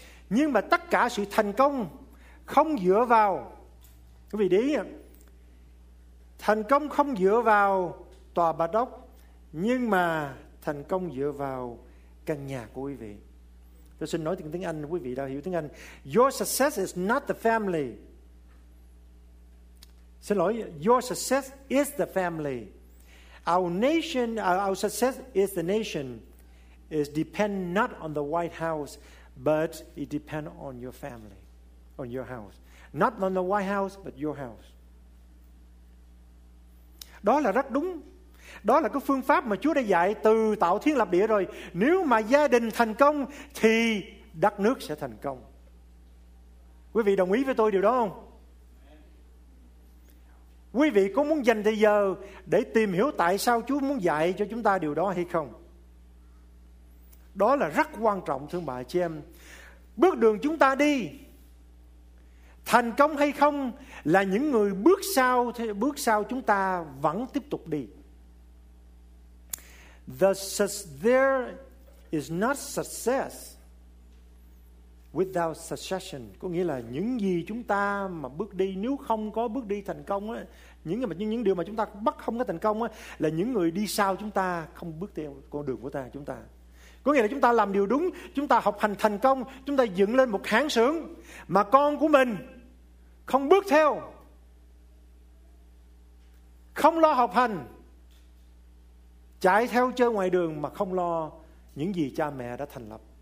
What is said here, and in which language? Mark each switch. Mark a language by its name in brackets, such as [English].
[Vietnamese] Nhưng mà tất cả sự thành công không dựa vào, quý vị để ý, thành công không dựa vào tòa bạch ốc, nhưng mà thành công dựa vào căn nhà của quý vị. Tôi xin nói tiếng Anh, quý vị đã hiểu tiếng Anh. [English] Your success is not the family. [Vietnamese] Xin lỗi, [English] your success is the family. Our success is the nation. It depends not on the White House, but it depends on your family, on your house. Not on the White House, but your house. [Vietnamese] Đó là rất đúng. Đó là cái phương pháp mà Chúa đã dạy từ tạo thiên lập địa rồi. Nếu mà gia đình thành công thì đất nước sẽ thành công. Quý vị đồng ý với tôi điều đó không? Quý vị có muốn dành thời giờ để tìm hiểu tại sao Chúa muốn dạy cho chúng ta điều đó hay không? Đó là rất quan trọng thưa bà chị em. Bước đường chúng ta đi thành công hay không là những người bước sau chúng ta vẫn tiếp tục đi. [English] The success there is not success without succession. [Vietnamese] Có nghĩa là những gì chúng ta mà bước đi, nếu không có bước đi thành công á, những điều mà chúng ta bắt không có thành công á, là những người đi sau chúng ta không bước theo con đường của ta chúng ta. Có nghĩa là chúng ta làm điều đúng, chúng ta học hành thành công, chúng ta dựng lên một hãng xưởng mà con của mình không bước theo, không lo học hành, chạy theo chơi ngoài đường mà không lo những gì cha mẹ đã thành lập.